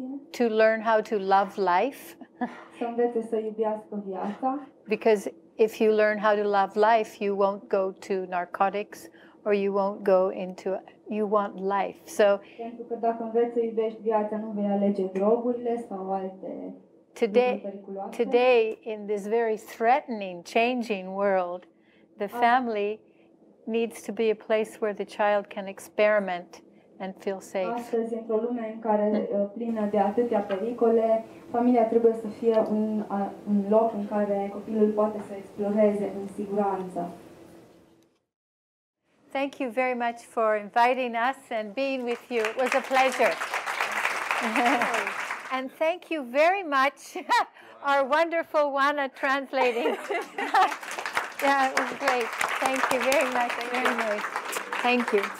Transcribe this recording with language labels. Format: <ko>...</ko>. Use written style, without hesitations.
<en>to learn how to love life.</en> <ro>Să învețe să iubească viața.</ro> <en>Because if you learn how to love life, you won't go to narcotics or you won't go into you want life. So</en> <ro>pentru că dacă înveți să iubești viața, nu vei alege drogurile sau alte.</ro> <en>Today, in this very threatening, changing world, the family needs to be a place where the child can experiment and feel safe.</en> <ro>Astăzi, într-o lume în care plină de atâtea pericole, familia trebuie să fie un loc în care copilul poate să exploreze în siguranță.</ro> <en>Thank you very much for inviting us and being with you. It was a pleasure. And thank you very much, our wonderful Juana, translating. Yeah, it was great. Thank you very much. Thank you. Thank you.</en>